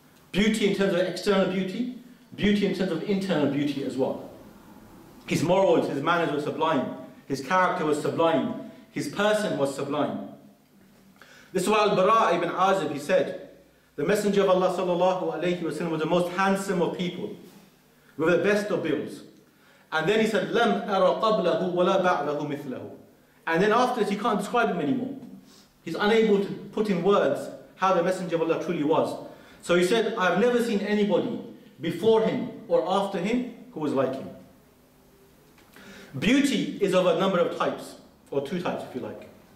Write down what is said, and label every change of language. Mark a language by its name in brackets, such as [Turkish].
[English] Beauty in terms of external beauty, beauty in terms of internal beauty as well. His morals, his manners were sublime. His character was sublime. His person was sublime. This is why Al-Bara ibn Azib, he said, the Messenger of Allah sallallahu alayhi wa sallam was the most handsome of people, with the best of builds. And then he said, [Arabic] لَمْ أَرَ قَبْلَهُ وَلَا بَعْلَهُ مِثْلَهُ. [English] And then after this, he can't describe him anymore. He's unable to put in words how the Messenger of Allah truly was. So he said, I've never seen anybody before him or after him who was like him. Beauty is of a number of types, or two types if you like.